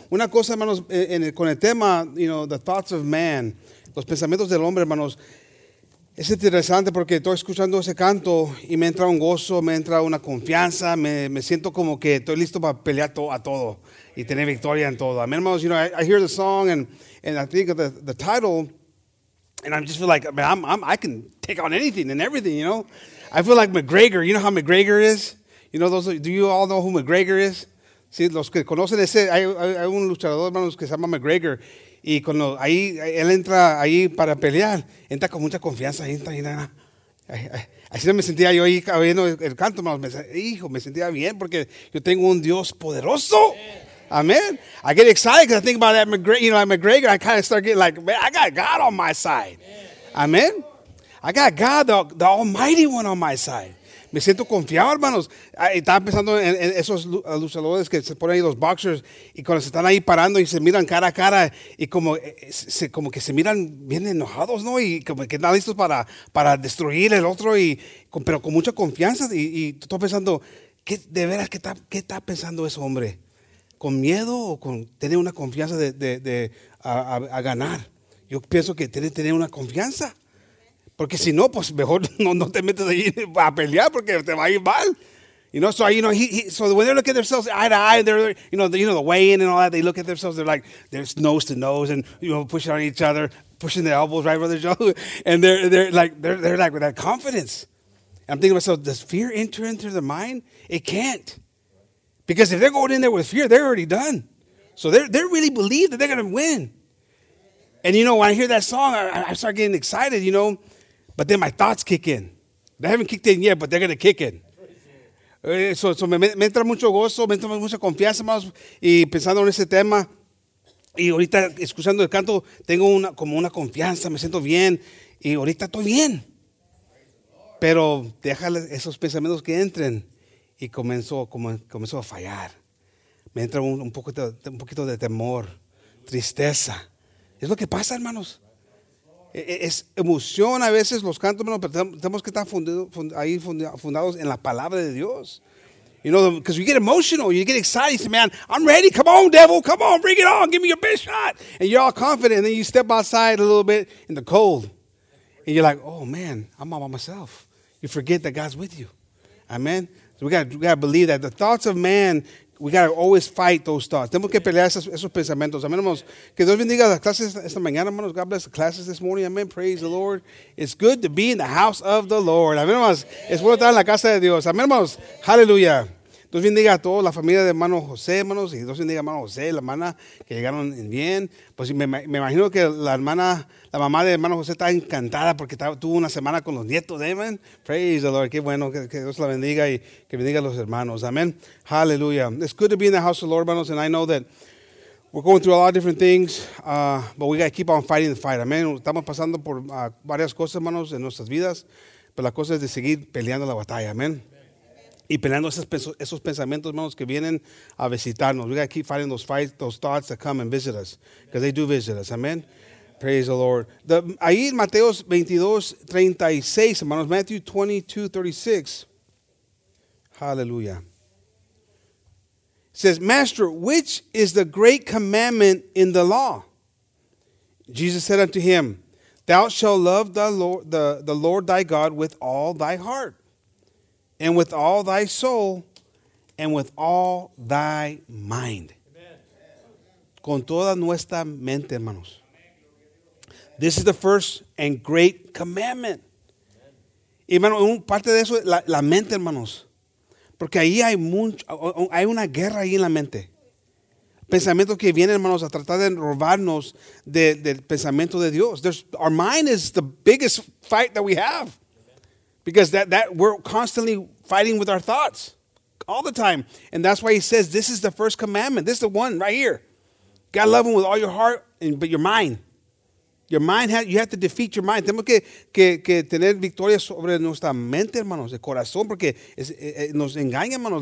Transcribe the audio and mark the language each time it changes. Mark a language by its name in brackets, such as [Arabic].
[Spanish] Una cosa, hermanos, con el tema, [English] you know, the thoughts of man, [Spanish] los pensamientos del hombre, hermanos. Es interesante porque estoy escuchando ese canto y me entra un gozo, me entra una confianza, me siento como que estoy listo para pelear a todo y tener victoria en todo. Amén, hermanos, [English] you know, I hear the song and I think of the title and I just feel like, man, I can take on anything and everything, you know. I feel like McGregor. You know how McGregor is? You know, do you all know who McGregor is? [Spanish] Sí, los que conocen ese, hay un luchador, hermanos, que se llama McGregor. Y cuando ahí él entra ahí para pelear, entra con mucha confianza, entra y nada. Así me sentía yo ahí oyendo el canto, hermanos. Hijo, me sentía bien porque yo tengo un Dios poderoso. Amen. [English] I get excited because I think about that McGregor, you know, like McGregor. I kind of start getting like, man, I got God on my side. Amen. I got God, the Almighty One on my side. [Spanish] Me siento confiado, hermanos. Estaba pensando en esos luchadores que se ponen ahí los boxers y cuando se están ahí parando y se miran cara a cara y como que se miran bien enojados, ¿no? Y como que están listos para destruir el otro, pero con mucha confianza. Y estoy pensando, ¿qué está pensando ese hombre? ¿Con miedo o con tener una confianza de ganar? Yo pienso que tiene que tener una confianza. Porque si no, pues mejor no te metes ahí a pelear porque te va a ir mal. [English] You know, so, you know, so when they look at themselves eye to eye, they're, you know, the weigh-in and all that, they look at themselves, they're like, they're nose to nose and, you know, pushing on each other, pushing their elbows, right, Brother Joe? And they're like with that confidence. And I'm thinking to myself, does fear enter into their mind? It can't. Because if they're going in there with fear, they're already done. So they really believe that they're going to win. And, you know, when I hear that song, I start getting excited, you know. But then my thoughts kick in. They haven't kicked in yet, but they're going to kick in. [Spanish] So me entra mucho gozo, me entra mucha confianza, hermanos, y pensando en ese tema, y ahorita escuchando el canto, tengo una confianza, me siento bien, y ahorita estoy bien. Pero déjale esos pensamientos que entren, y comenzó a fallar. Me entra un poquito de temor, tristeza. Es lo que pasa, hermanos. Es emoción a veces los cantos, hermanos, pero tenemos que estar fundados en la palabra de Dios. [English] You know, because you get emotional, you get excited, you say, man, I'm ready, come on, devil, come on, bring it on, give me your best shot. And you're all confident, and then you step outside a little bit in the cold, and you're like, oh, man, I'm all by myself. You forget that God's with you. Amen? So we got to believe that the thoughts of man, we got to always fight those thoughts. [Spanish] Tenemos que pelear esos pensamientos. Amén, hermanos. Que Dios bendiga las clases esta mañana, hermanos. [English] God bless the classes this morning. Amen. Praise the Lord. It's good to be in the house of the Lord. [Spanish] Amén, hermanos. Es bueno estar en la casa de Dios. Amén, hermanos. Hallelujah. Dios bendiga a toda la familia de hermano José, hermanos. Y Dios bendiga a hermano José, la hermana, que llegaron bien. Pues me imagino que la hermana, la mamá de hermano José está encantada porque tuvo una semana con los nietos. [English] Amen. Praise the Lord. [Spanish] Qué bueno. Que Dios la bendiga y que bendiga a los hermanos. Amen. Hallelujah. [English] It's good to be in the house of the Lord, hermanos. And I know that we're going through a lot of different things, but we got to keep on fighting the fight. Amen. [Spanish] Estamos pasando por varias cosas, hermanos, en nuestras vidas. Pero la cosa es de seguir peleando la batalla. Amen. Y peleando esos pensamientos, hermanos, que vienen a visitarnos. [English] We got to keep fighting those fights, those thoughts that come and visit us. Because they do visit us. Amen. Praise the Lord. [Spanish] Ahí en Mateo 22:36, hermanos. [English] Matthew 22:36. Hallelujah. It says, Master, which is the great commandment in the law? Jesus said unto him, Thou shalt love the Lord thy God with all thy heart. And with all thy soul, and with all thy mind. Amen. [Spanish] Con toda nuestra mente, hermanos. [English] This is the first and great commandment. [Spanish] Amen. Y hermano, parte de eso es la mente, hermanos. Porque ahí hay mucho, hay una guerra ahí en la mente. Pensamientos que vienen, hermanos, a tratar de robarnos del pensamiento de Dios. [English] Our mind is the biggest fight that we have. Because that we're constantly fighting with our thoughts. All the time. And that's why he says this is the first commandment. This is the one right here. Gotta love him with all your heart, but your mind. Your mind, you have to defeat your mind. [Spanish] Tenemos que tener victoria sobre nuestra mente, hermanos, el corazón, porque nos engañan, hermanos.